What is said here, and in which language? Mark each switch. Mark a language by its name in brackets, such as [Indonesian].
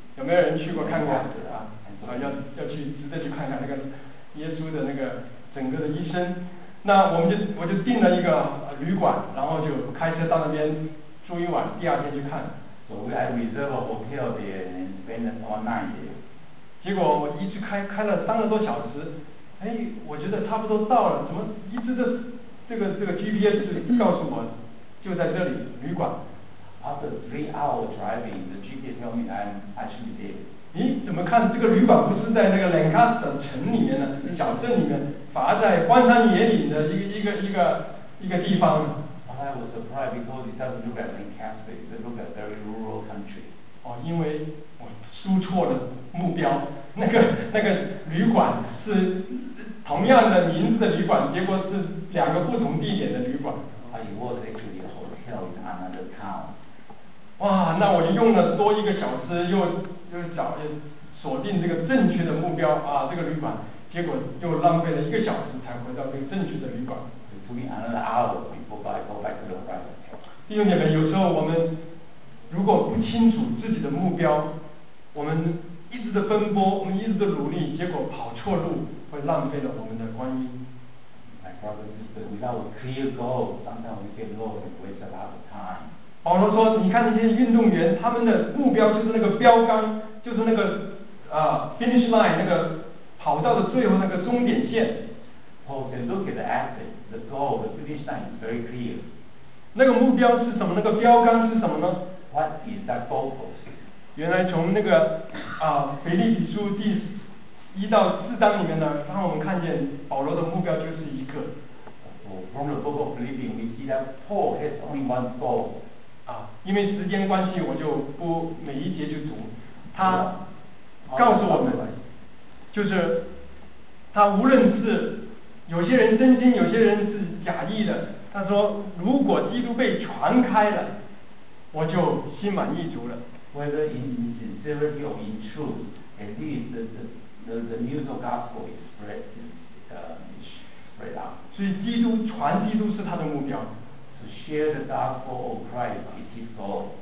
[Chinese] 有没有人去过看过？ Lancaster, 要去值得去看看那个耶稣的那个整个的一生。那我就订了一个旅馆，然后就开车到那边住一晚，第二天去看。 [English] So we had reserved a hotel there and spent all night there. [Chinese] 结果我一直开了三个多小时，哎，我觉得差不多到了，怎么一直这个 GPS 告诉我就在这里旅馆。 [English] After 3 hours driving, the GPS told me I'm actually there. [Chinese] 咦，怎么看这个旅馆不是在那个 Lancaster 城里面的小镇里面，反而在荒山野岭的一个地方？ [English] I was surprised because it doesn't look at Lancaster, it looks at very rural country. [Chinese] 哦，因为我输错了目标，那个旅馆是同样的名字的旅馆，结果是两个不同地点的旅馆。 [English] It was actually a hotel in another town. [Chinese] 哇，那我就用了多一个小时，又找又锁定这个正确的目标啊，这个旅馆，结果又浪费了一个小时才回到这个正确的旅馆。 [English] To be another hour before I go back to the right. [Chinese] 弟兄姐妹，有时候我们如果不清楚自己的目标，我们一直的奔波，我们一直的努力，结果跑错路，会浪费了我们的光阴。 [English] My brothers and sisters, without a clear goal, sometimes we get lost and waste a lot of time. [Chinese] 保罗说：“你看那些运动员，他们的目标就是那个标杆，就是那个finish line， 那个跑道的最后那个终点线。” [English] Paul said, "Look at the athlete. The goal, the finish line is very clear. [Chinese] 那个目标是什么？那个标杆是什么呢 [English] ？What is that goal post? [Chinese] 原来从那个腓立比书第一到四章里面呢，让我们看见保罗的目标就是一个。 [English] From the book of Philippians, we see that Paul has only one goal. [Chinese] 因为时间关系，我就不每一节就读。他告诉我们，就是他无论是有些人真心，有些人是假意的。他说，如果基督被传开了，我就心满意足了。 [English] Whether in sincerity or in truth, at least the news of gospel is spread out. [Chinese] 所以基督传基督是他的目标。 [English] To share the gospel of Christ is his goal.